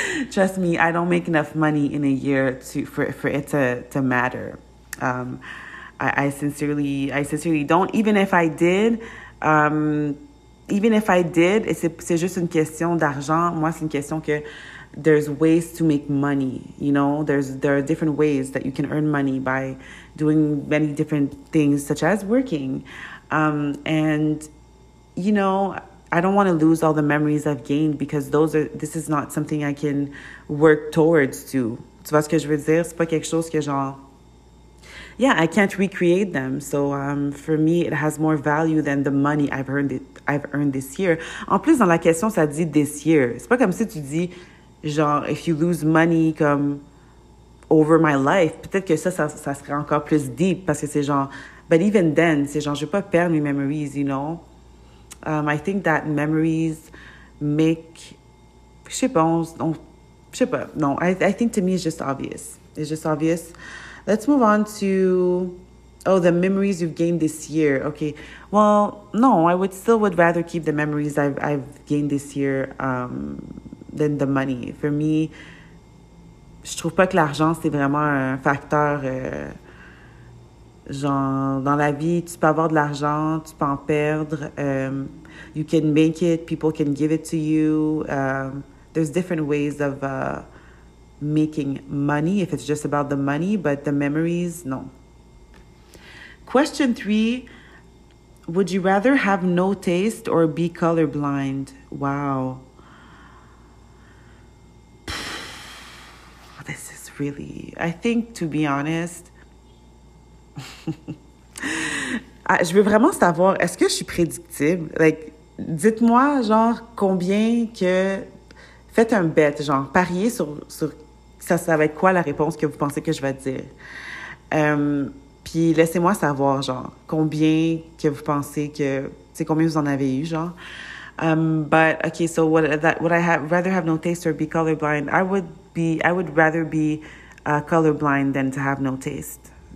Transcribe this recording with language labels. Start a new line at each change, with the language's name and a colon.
English: Trust me, I don't make enough money in a year for it to matter. I sincerely don't. Even if I did,
French: c'est juste une question d'argent. Moi, c'est une question que
English: there's ways to make money. You know, there are different ways that you can earn money by doing many different things, such as working. And you know, I don't want to lose all the memories I've gained, because this is not something I can work towards to.
French: Tu vois ce que je veux dire? C'est pas quelque chose que genre...
English: Yeah, I can't recreate them. So for me, it has more value than the money I've earned this year.
French: En plus, dans la question, ça dit
English: this year.
French: C'est pas comme si tu dis, genre,
English: if you lose money
French: comme
English: over my life,
French: peut-être que ça serait encore plus deep, parce que c'est genre...
English: But even then,
French: c'est genre, je vais pas perdre mes memories,
English: you know? I think that memories make, I think to me it's just obvious. Let's move on to Oh, the memories you've gained this year. Okay. Well, no, I would still would rather keep the memories I've gained this year than the money. For me,
French: je trouve pas que l'argent, c'est vraiment un facteur. Genre, dans la vie, tu peux avoir de l'argent, tu peux en perdre.
English: You can make it, people can give it to you. There's different ways of making money, if it's just about the money, but the memories, non. Question 3, would you rather have no taste or be colorblind? Wow. This is really, I think, to be honest,
French: je veux vraiment savoir, est-ce que je suis prédictible? Like, dites-moi, genre, combien que, faites un bet, genre, pariez sur ça va être quoi la réponse que vous pensez que je vais dire. Puis laissez-moi savoir, genre, combien que vous pensez que, tu sais, combien vous en avez eu, genre.
English: But, okay, so would I rather have no taste or be colorblind? I would rather be colorblind than to have no taste.